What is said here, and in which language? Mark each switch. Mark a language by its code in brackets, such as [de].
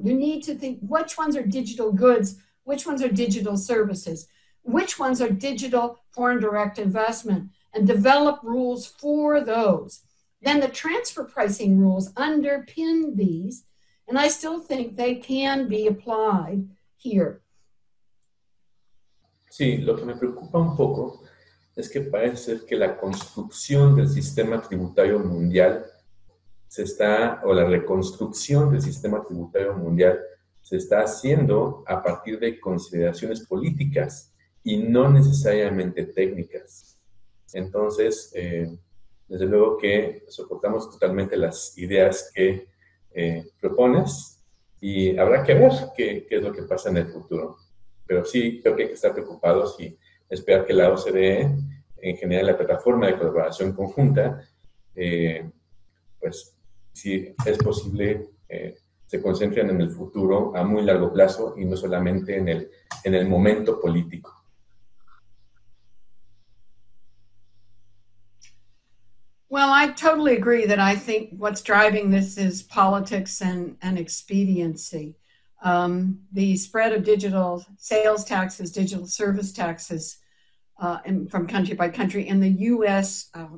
[en] You need to think which ones are digital goods, which ones are digital services, which ones are digital foreign direct investment, and develop rules for those. Then the transfer pricing rules underpin these, and I still think they can be applied here. [es] Sí, lo que me preocupa un poco es que parece ser que la construcción del sistema tributario mundial se está haciendo a partir de consideraciones políticas y no necesariamente técnicas. Entonces, desde luego que soportamos totalmente las ideas que propones y habrá que ver qué es lo que pasa en el futuro. Pero sí, creo que hay que estar preocupados y esperar que la OCDE, en general la plataforma de colaboración conjunta, pues si es posible, se concentren en el futuro a muy largo plazo y no solamente en el momento político. [en] Well, I totally agree that I think what's driving this is politics and expediency. The spread of digital sales taxes, digital service taxes from country by country, and the U.S.